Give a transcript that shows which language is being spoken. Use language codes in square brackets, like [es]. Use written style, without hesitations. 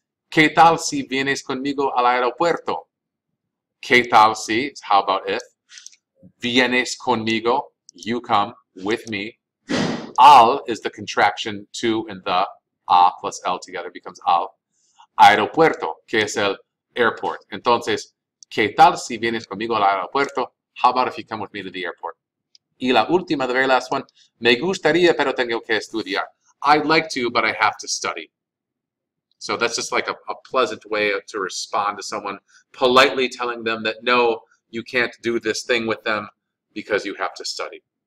[es] ¿Qué tal si vienes conmigo al aeropuerto? ¿Qué tal si, [en] how about if, [es] vienes conmigo, [en] you come with me? Al is the contraction to and the, a plus el together becomes al. [es] Aeropuerto, que es el airport. Entonces, ¿qué tal si vienes conmigo al aeropuerto? [en] How about if you come with me to the airport? [es] Y la última, [en] the very last one, [es] me gustaría, pero tengo que estudiar. [en] I'd like to, but I have to study. So that's just like a pleasant way of, to respond to someone, politely telling them that no, you can't do this thing with them because you have to study.